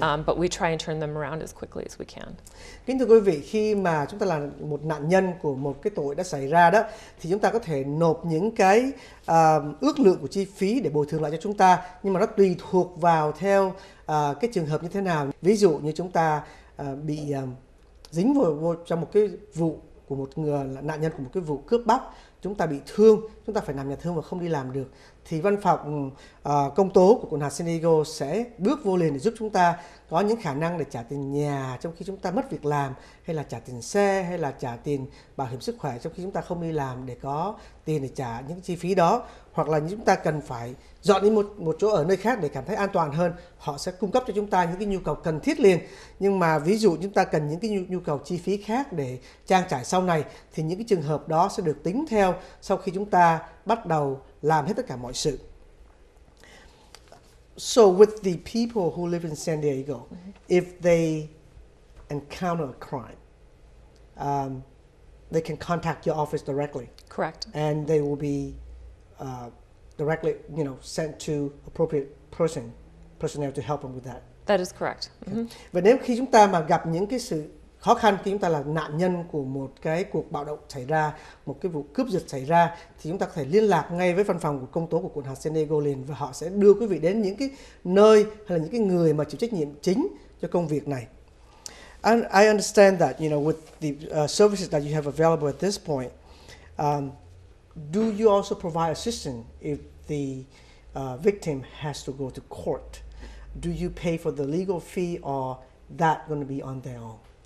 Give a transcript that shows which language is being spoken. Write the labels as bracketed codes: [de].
[en] But we try and turn them around as quickly as we can. [vi] Kính thưa quý vị, khi mà chúng ta là một nạn nhân của một cái tội đã xảy ra đó, thì chúng ta có thể nộp những cái ước lượng của chi phí để bồi thường lại cho chúng ta, nhưng mà nó tùy thuộc vào theo cái trường hợp như thế nào. Ví dụ như chúng ta bị dính vào trong một cái vụ của một người là nạn nhân của một cái vụ cướp bóc, chúng ta bị thương, chúng ta phải nằm nhà thương và không đi làm được, thì văn phòng công tố của quận hạt San Diego sẽ bước vô liền để giúp chúng ta có những khả năng để trả tiền nhà trong khi chúng ta mất việc làm, hay là trả tiền xe, hay là trả tiền bảo hiểm sức khỏe trong khi chúng ta không đi làm để có tiền để trả những chi phí đó, hoặc là chúng ta cần phải dọn đi một chỗ ở nơi khác để cảm thấy an toàn hơn. Họ sẽ cung cấp cho chúng ta những cái nhu cầu cần thiết liền. Nhưng mà ví dụ chúng ta cần những cái nhu cầu chi phí khác để trang trải sau này, thì những cái trường hợp đó sẽ được tính theo sau khi chúng ta bắt đầu làm hết tất cả mọi sự. [en] So with the people who live in San Diego, if they encounter a crime, they can contact your office directly. Correct. And they will be directly, you know, sent to appropriate personnel to help them with that. That is correct. Okay. Mm-hmm. [vi] Và nếu khi chúng ta mà gặp những cái sự khó khăn, khi chúng ta là nạn nhân của một cái cuộc bạo động xảy ra, một cái vụ cướp giật xảy ra, thì chúng ta có thể liên lạc ngay với văn phòng của công tố của quận hạt San Diego liền, và họ sẽ đưa quý vị đến những cái nơi hay là những cái người mà chịu trách nhiệm chính cho công việc này. [en] I understand that, you know, with the services that you have available at this point, do you also provide assistance if the victim has to go to court? Do you pay for the legal fee, or that going to be on their own?